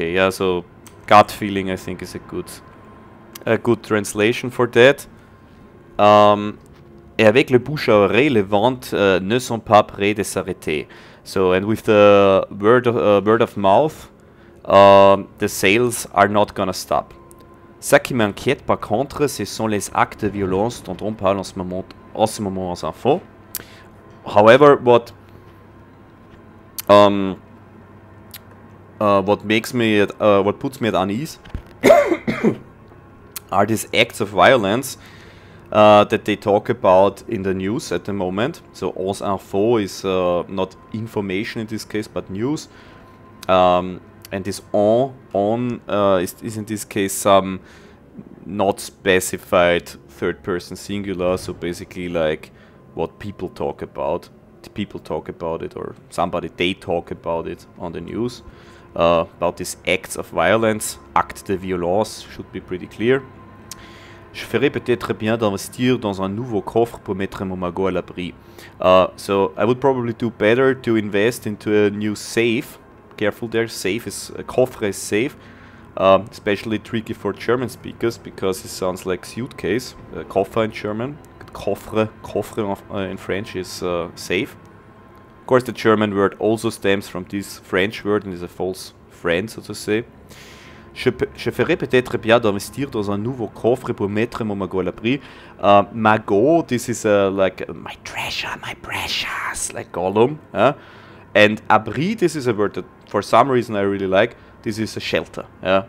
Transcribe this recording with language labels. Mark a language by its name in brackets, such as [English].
[English] So gut feeling, I think, is a good translation for that. [French] Et avec le bouche à oreille, les ventes ne sont pas prêtes de s'arrêter. [English] So, and with the word of mouth, the sales are not gonna stop. [French] Ce qui m'inquiète par contre, ce sont les actes de violence dont on parle en ce moment, en ce moment aux infos. [English] However, what puts me at unease are these acts of violence that they talk about in the news at the moment. So aux infos is not information in this case, but news. And this on is in this case some not specified third person singular, so basically like what people talk about. People talk about it, or somebody they talk about it on the news. About these acts of violence, [French] acte de violence, [English] should be pretty clear. [French] Je ferais peut-être bien d'investir dans un nouveau coffre pour mettre mon magot à l'abri. [English] So I would probably do better to invest into a new safe. Careful there, safe is, coffre is safe, especially tricky for German speakers, because it sounds like suitcase, coffre in German, coffre in French is safe. Of course the German word also stems from this French word and is a false friend, so to say. [French] Je ferais peut-être bien d'investir dans un nouveau coffre pour mettre mon magot à l'abri. [English] Magot, this is my treasure, my precious, like Gollum. And abri, this is a word that for some reason I really like. This is a shelter. Yeah.